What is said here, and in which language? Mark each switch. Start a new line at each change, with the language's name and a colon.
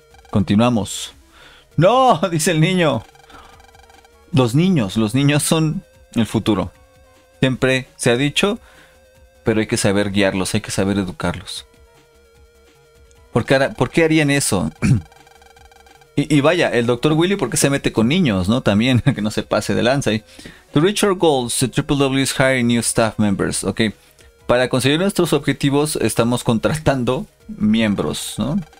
Spanish: Continuamos. ¡No! Dice el niño. Los niños son el futuro. Siempre se ha dicho, pero hay que saber guiarlos, hay que saber educarlos. ¿Por qué harían eso? Y vaya, el doctor Willy, ¿por qué se mete con niños, no? También, que no se pase de lanza. ¿Eh?
English: The Richard Goals, the Triple W is hiring new staff members. Ok.
Spanish: Para conseguir nuestros objetivos, estamos contratando miembros, ¿no?